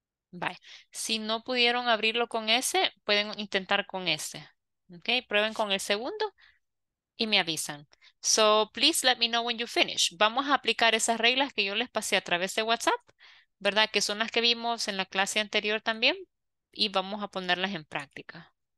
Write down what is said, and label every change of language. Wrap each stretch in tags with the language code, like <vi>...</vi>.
<en>Bye.</en> <es>Si no pudieron abrirlo con ese, pueden intentar con este. Okay, prueben con el segundo y me avisan.</es> <en>So, please let me know when you finish.</en> <es>Vamos a aplicar esas reglas que yo les pasé a través de WhatsApp, ¿verdad? Que son las que vimos en la clase anterior también y vamos a ponerlas en práctica.</es>